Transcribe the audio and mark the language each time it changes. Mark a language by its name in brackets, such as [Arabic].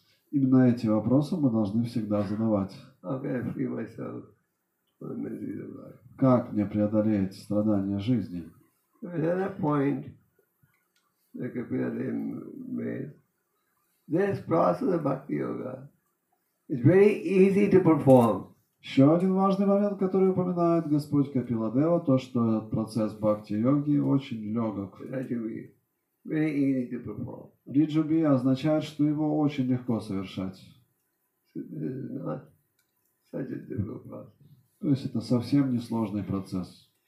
[Russian] Именно эти вопросы мы должны всегда задавать. [English] How can I free myself from the miseries of life? [Russian] Как мне преодолеть страдания жизни? [English] Another point that Kapila Dev made. This process of bhakti yoga is very easy to perform. [Russian] Еще один важный момент, который упоминает Господь Капила Дева, то, что этот процесс бхакти-йоги очень легок. Риджуби означает, что его очень легко совершать. То есть это совсем не сложный процесс.